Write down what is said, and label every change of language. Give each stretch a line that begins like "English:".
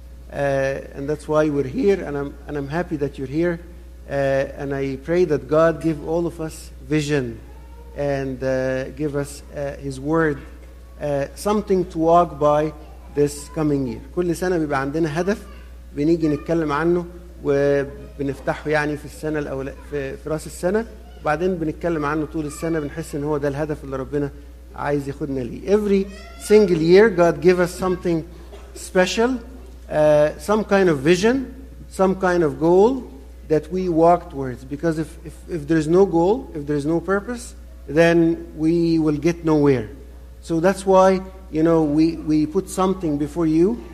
English: And that's why we're here, and I'm happy that you're here. And I pray that God give all of us vision and give us His Word, something to walk by this coming year.
Arabic: كل سنة بيبقى عندنا هدف بنيجي نتكلم عنه وبنفتحه يعني في السنة الأول في رأس السنة وبعدين بنتكلم عنه طول السنة بنحس إن هو ده الهدف اللي ربنا عايز يخدنا ليه.
English: Every single year God give us something special, some kind of vision, some kind of goal that we walk towards. Because if there is no goal, if there is no purpose, then we will get nowhere. So that's why, you know, we put something before you.